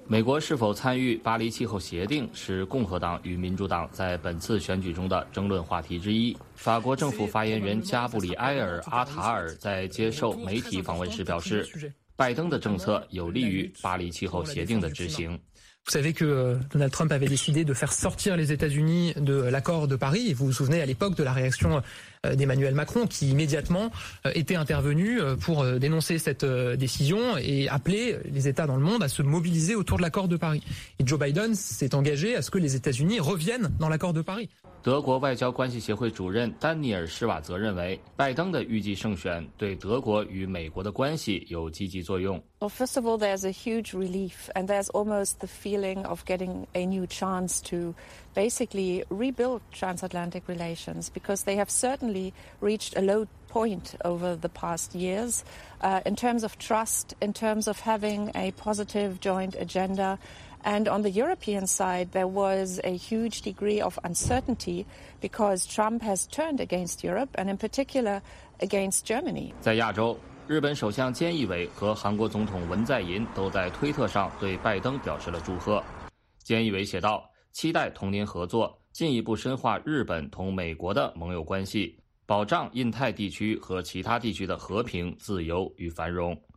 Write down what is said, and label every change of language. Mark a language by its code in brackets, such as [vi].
[zh] 美国是否参与巴黎气候协定是共和党与民主党在本次选举中的争论话题之一。法国政府发言人加布里埃尔·阿塔尔在接受媒体访问时表示，拜登的政策有利于巴黎气候协定的执行。 [fr] Vous savez que Donald Trump avait décidé de faire sortir les États-Unis de l'accord de Paris. Vous vous souvenez à l'époque de la réaction d'Emmanuel Macron qui immédiatement était intervenu pour dénoncer cette décision et appeler les États dans le monde à se mobiliser autour de l'accord de Paris. Et Joe Biden s'est engagé à ce que les États-Unis reviennent dans l'accord de Paris. [zh] 德国外交关系协会主任丹尼尔·施瓦泽认为，拜登的预计胜选对德国与美国的关系有积极作用。 [en] Well, first of all, there's a huge relief, and there's almost the feeling of getting a new chance to basically rebuild transatlantic relations because they have certainly reached a low point over the past years, in terms of trust, in terms of having a positive joint agenda. And on the European side, there was a huge degree of uncertainty because Trump has turned against Europe and in particular against Germany. [zh] 在亚洲，日本首相菅义伟和韩国总统文在寅都在推特上对拜登表示了祝贺。菅义伟写道，期待同您合作，进一步深化日本同美国的盟友关系，保障印太地区和其他地区的和平、自由与繁荣。